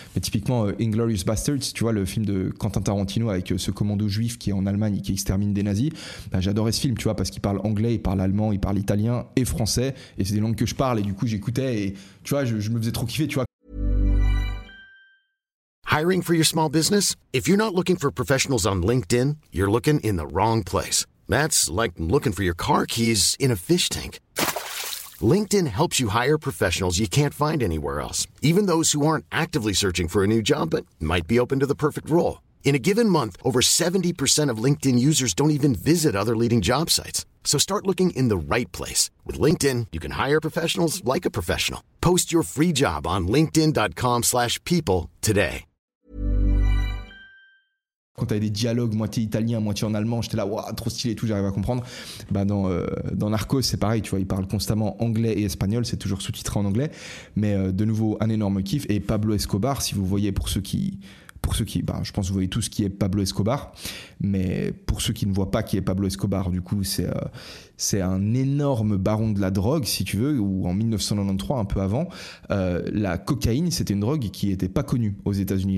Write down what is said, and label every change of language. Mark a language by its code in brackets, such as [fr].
[fr] Mais typiquement, Inglourious Basterds, tu vois, le film de Quentin Tarantino avec ce commando juif qui est en Allemagne et qui extermine des nazis. Bah, j'adorais ce film, tu vois, parce qu'il parle anglais, il parle allemand, il parle italien et français, et c'est des langues que je parle, et du coup j'écoutais, et tu vois, je me faisais trop kiffer, tu vois. [en] Hiring for your small business? If you're not looking for professionals on LinkedIn, you're looking in the wrong place. That's like looking for your car keys in a fish tank. LinkedIn helps you hire professionals you can't find anywhere else, even those who aren't actively searching for a new job but might be open to the perfect role. In a given month, over 70% of LinkedIn users don't even visit other leading job sites. So start looking in the right place. With LinkedIn, you can hire professionals like a professional. Post your free job on linkedin.com/people today. [fr] Quand t'avais des dialogues moitié italien, moitié en allemand, j'étais là, waouh, ouais, trop stylé et tout, j'arrive à comprendre. Bah dans Narcos, c'est pareil, tu vois, ils parlent constamment anglais et espagnol, c'est toujours sous-titré en anglais. Mais de nouveau, un énorme kiff. Et Pablo Escobar, si vous voyez, pour ceux qui, bah, je pense que vous voyez tout ce qui est Pablo Escobar, mais pour ceux qui ne voient pas qui est Pablo Escobar, du coup, c'est un énorme baron de la drogue, si tu veux, ou en 1993, un peu avant, la cocaïne, c'était une drogue qui n'était pas connue aux États-Unis.